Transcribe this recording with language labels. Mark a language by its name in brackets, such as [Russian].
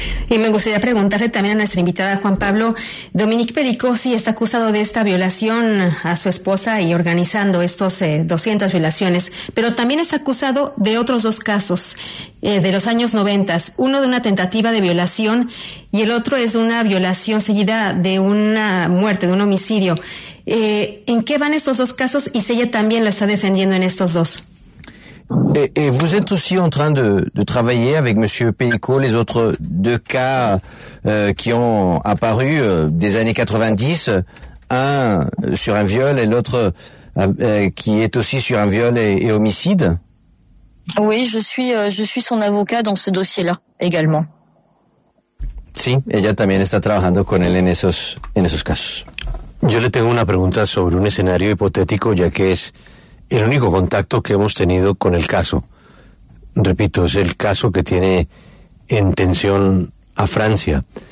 [Spanish] Y me gustaría preguntarle también a nuestra invitada, Juan Pablo. Dominique Pelicot sí está acusado de esta violación a su esposa y organizando estos 200 violaciones, pero también está acusado de otros dos casos de los años 90, uno de una tentativa de violación y el otro es de una violación seguida de una muerte, de un homicidio. ¿En qué van estos dos casos y si ella también lo está defendiendo en estos dos? [French] Et vous êtes aussi en train de travailler avec Monsieur Pelicot les autres deux cas qui ont apparu des années 90, un sur un viol et l'autre qui est aussi sur un viol et homicide. Oui, je suis son avocat dans ce dossier-là également. [Spanish] Sí, ella también está trabajando con él en esos casos. Yo le tengo una pregunta sobre un escenario hipotético, ya que es el único contacto que hemos tenido con el caso. Repito, es el caso que tiene en tensión a Francia.